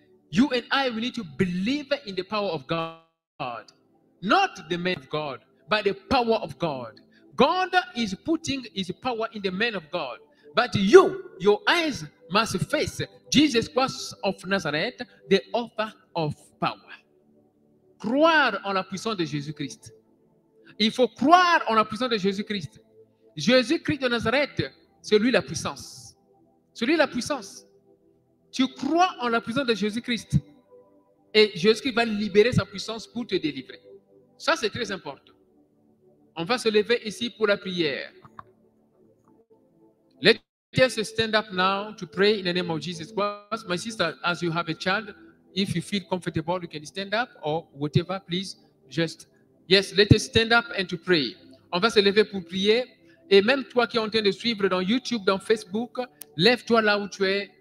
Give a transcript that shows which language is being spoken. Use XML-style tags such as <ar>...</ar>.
<en>You and I, we need to believe in the power of God. Not the man of God, but the power of God. God is putting his power in the man of God. But you, your eyes must face Jesus Christ of Nazareth, the author of power.</en> <fr>Croire en la puissance de Jésus-Christ. Il faut croire en la puissance de Jésus-Christ. Jésus-Christ de Nazareth, c'est lui la puissance. C'est lui la puissance. Tu crois en la puissance de Jésus-Christ et Jésus-Christ va libérer sa puissance pour te délivrer. Ça, c'est très important. On va se lever ici pour la prière.</fr> <en>Let us stand up now to pray in the name of Jesus Christ. My sister, as you have a child, if you feel comfortable, you can stand up or whatever, please. Just, yes, let us stand up and to pray.</en> <fr>On va se lever pour prier. Et même toi qui es en train de suivre dans YouTube, dans Facebook, lève-toi là où tu es.</fr>